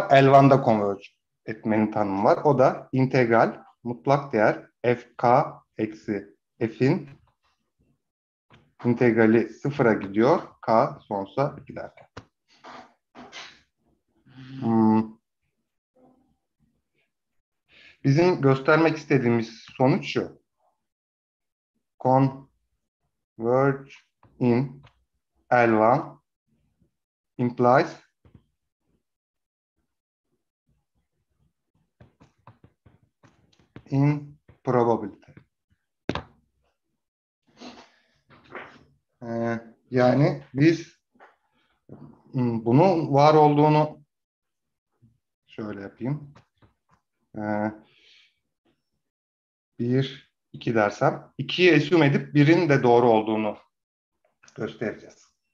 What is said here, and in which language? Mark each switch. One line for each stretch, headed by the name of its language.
Turkish: L1'da Converge etmenin tanımı var. O da integral mutlak değer fk eksi f'in integrali sıfıra gidiyor. K sonsuza giderken. Bizim göstermek istediğimiz sonuç şu.
English: Converge in L1 implies in probability.
Turkish: Yani biz bunun var olduğunu şöyle yapayım. Bir, iki dersem. İkiyi assume edip birinin de doğru olduğunu göstereceğiz.